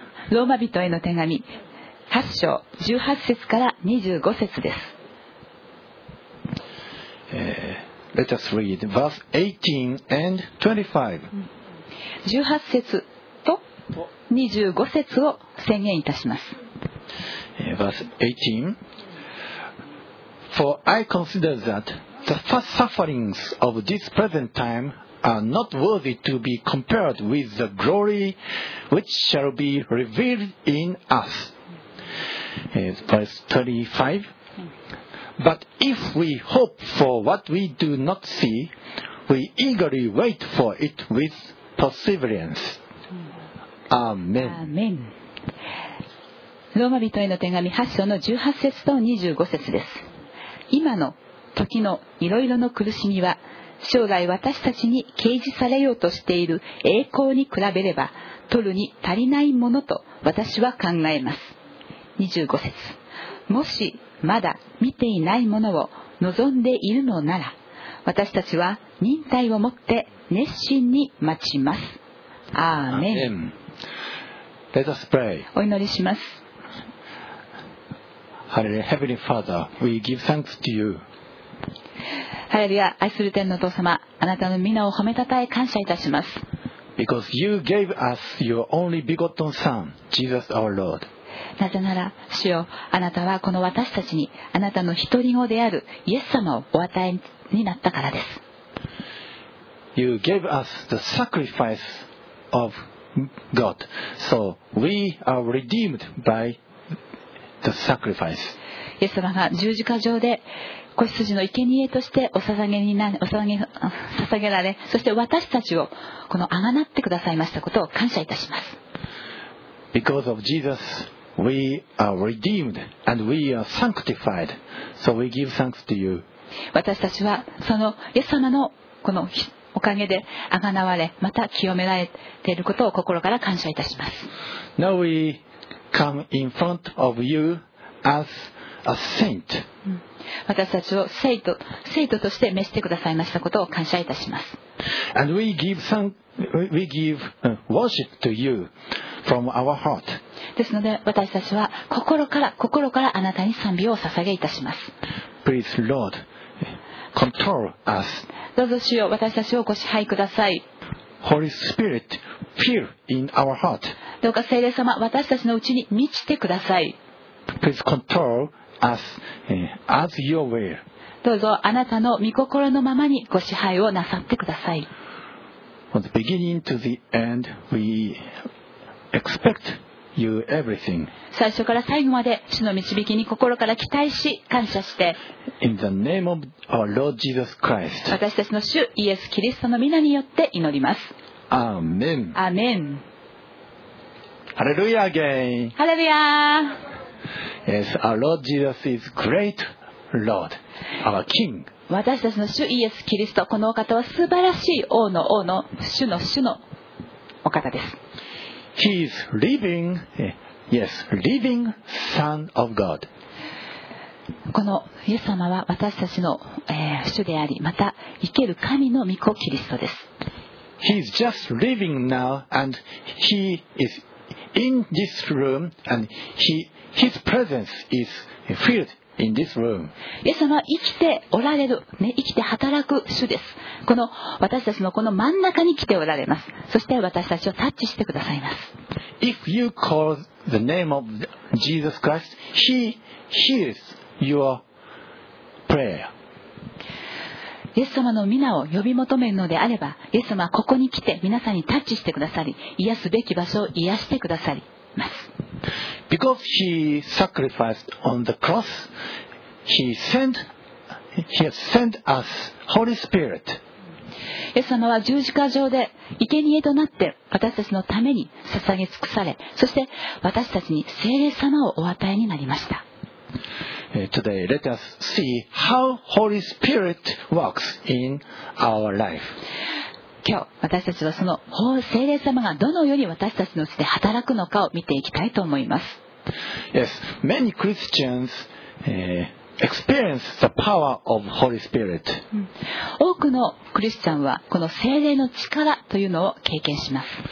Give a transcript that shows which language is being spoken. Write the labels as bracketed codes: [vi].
[ja] ローマ人への手紙8章18節から25節です。 [en] Let us read verse 18 and 25. [ja] 18節と25節を宣言いたします。 [en] Verse 18. For I consider that the sufferings of this present time are not worthy to be compared with the glory which shall be revealed in us. Verse 25. But if we hope for what we do not see, we eagerly wait for it with perseverance. Amen. Amen. [ja] ローマ人への手紙8章の18節と25節です。今の時のいろいろの苦しみは、将来私たちに掲示されようとしている栄光に比べれば、取るに足りないものと私は考えます。25節。もしまだ見ていないものを望んでいるのなら、私たちは忍耐をもって熱心に待ちます。アーメン。 [en] Let us pray. [ja] お祈りします。 [en] Hallelujah, Heavenly Father, we give thanks to you. [ja] Hallelujah, 愛する天のお父様、あなたの皆を褒めたたえ感謝いたします。 [en] Because you gave us your only begotten Son, Jesus our Lord. [ja] なぜなら、主よ、あなたはこの私たちにあなたの一人子であるイエス様をお与えになったからです。 [en] You gave us the sacrifice of God, so we are redeemed by the sacrifice. [ja] イエス様が十字架上で子羊の生贄としてお捧げられ、そして私たちをこのあがなってくださいましたことを感謝いたします。 [en] Because of Jesus. We are redeemed and we are sanctified, so we give thanks to you. [ja] 私たちはそのイエス様のこのおかげで贖われ、また清められていることを心から感謝いたします。 [en] Now we come in front of you as a saint. [ja] 私たちを聖徒として召してくださいましたことを感謝いたします。 [en] And we give thanks. We give worship to you from our heart. [ja] ですので、私たちは心からあなたに賛美を捧げいたします。 [en] Please, Lord, control us. [ja] どうぞ主よ、私たちをご支配ください。 [en] Holy Spirit, fill in our heart. [ja] どうか聖霊様、私たちのうちに満ちてください。 [en] Please control us as your will. [ja] どうぞあなたの御心のままにご支配をなさってください。 [en] From the beginning to the end, we expect you everything. [ja] 最初から最後まで主の導きに心から期待し感謝して、 [en] In the name of our Lord Jesus Christ. [ja] 私たちの主イエス・キリストの御名によって祈ります。アーメン。アーメン。ハレルヤ again. ハレルヤ。 [en] Yes, our Lord Jesus is great Lord, our King. [ja] 私たちの主イエス・キリスト、このお方は素晴らしい王の王の主の主のお方です。 [en] He is living, yes, living Son of God. [ja] このイエス様は私たちの、主であり、また生ける神の御子キリストです。 [en] He is just living now, and he is in this room, and his presence is filled. In this room. [ja] イエス様は生きておられる、ね、生きて働く主です。この私たちのこの真ん中に来ておられます。そして私たちをタッチしてくださいます。 [en] If you call the name of Jesus Christ, He hears your prayer. [ja] イエス様の皆を呼び求めるのであれば、イエス様はここに来て皆さんにタッチしてくださり、癒すべき場所を癒してくださります。 [en] Because he sacrificed on the cross, he has sent us Holy Spirit. [ja] イエス様は十字架上で生贄となって私たちのために捧げ尽くされ、そして私たちに聖霊様をお与えになりました。 [en] today, let us see how Holy Spirit works in our life. [ja] 今日私たちはその聖霊様がどのように私たちのうちで働くのかを見ていきたいと思います。 [en] Yes, many Christians, experience the power of Holy Spirit. [ja] 多くのクリスチャンはこの聖霊の力というのを経験します。